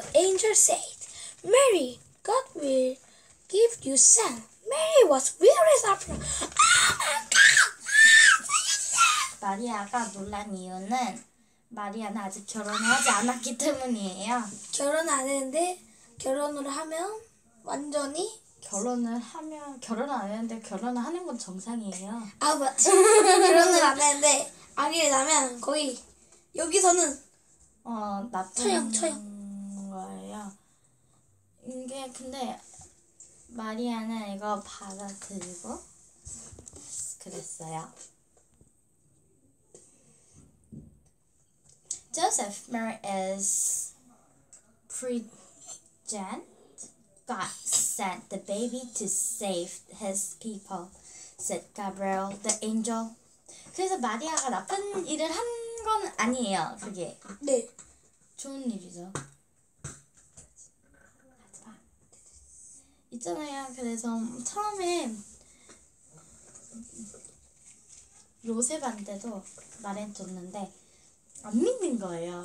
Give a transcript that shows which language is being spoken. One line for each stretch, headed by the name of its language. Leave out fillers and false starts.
English: The angel said, Mary, God will give you son. Mary was very surprised. Oh my God!
Korean: 마리아가 놀란 이유는 마리아는 아직 결혼을 하지 않았기 때문이에요. 결혼 안 했는데 결혼을 하면 완전히 결혼을 하면 결혼을 안 했는데 결혼을 하는 건 정상이에요. 아 맞지. 결혼을 안 했는데 아기를 낳으면 거의 여기서는 처형 거예요. 이게 근데 마리아는 이거 받아들이고 그랬어요.
English: Joseph, Mary is pregnant. God sent the baby to save his people, said Gabriel, the angel.
Korean: 그래서 마리아가 나쁜 일을 한 건 아니에요, 그게. 네. 좋은 일이죠. 하지 마. 있잖아요, 그래서 처음에 요셉한테도 말해줬는데 안 믿는 거예요.